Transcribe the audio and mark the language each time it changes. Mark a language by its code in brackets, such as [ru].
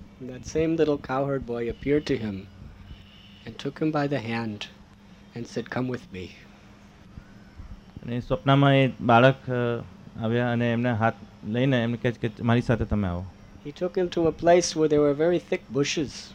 [en] That same little cowherd boy appeared to him and took him by the hand and said come with me. [gu] અને સ્વપ્નમાં એ બાળક આવ્યા અને એમને હાથ લઈને એમ કહે કે મારી સાથે તમે આવો. [en] He took him to a place where there were very thick bushes.